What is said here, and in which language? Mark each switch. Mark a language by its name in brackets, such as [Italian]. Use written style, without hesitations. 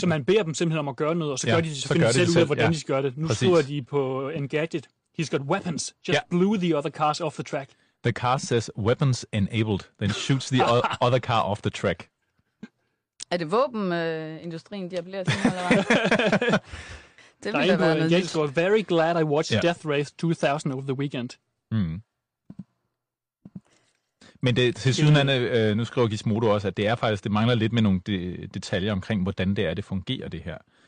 [Danish] Så man beder dem simpelthen om at gøre noget, og så gør de det, så finder de selv ud af, hvordan de gør det. Nu skriver de på Engadget. [English] He's got weapons. Just blew the other cars off the track. The car says weapons enabled, then shoots the other car off the track. [Danish] Er det våbenindustrien, de appellerer til, eller hvad? Det vil da være noget. Jeg er [English] very glad I watched Death Race 2000 over the weekend. [Danish] Men det, til sydenande, nu skriver Gizmodo også, at det er faktisk, det mangler lidt med nogle detaljer omkring, hvordan det er, det fungerer, det her.